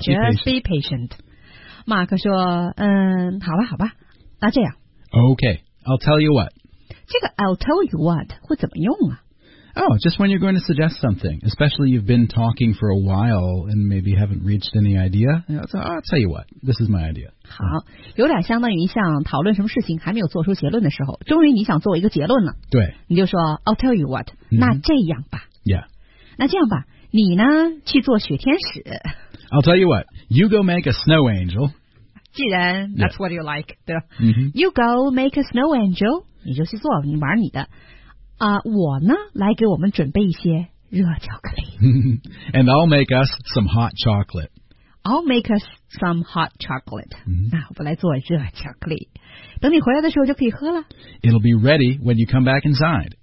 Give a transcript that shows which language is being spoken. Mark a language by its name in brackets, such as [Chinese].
[Chinese] Just be patient. Mark 说，嗯，好吧，好吧，那这样。 [English] Okay. I'll tell you what. [Chinese] 这个 I'll tell you what 会怎么用啊？ [English] Oh, just when you're going to suggest something, especially you've been talking for a while and maybe haven't reached any idea. Yeah, so I'll tell you what, this is my idea. [Chinese] 好，有点相当于像讨论什么事情还没有做出结论的时候，终于你想做一个结论了。对，你就说 I'll tell you what,、 mm-hmm. 那这样吧。 [English] Yeah. [Chinese] 那这样吧，你呢去做雪天使。 [English] I'll tell you what, you go make a snow angel. 既然 that's、yeah. what you like, 对吧、 mm-hmm. You go make a snow angel, 你就去做，你玩你的。 [Chinese] 我呢来给我们准备一些热巧克力。 [English] And I'll make us some hot chocolate. I'll make us some hot chocolate.、 Mm-hmm. [Chinese] 那我们来做热巧克力。等你回来的时候就可以喝了。 [English] It'll be ready when you come back inside.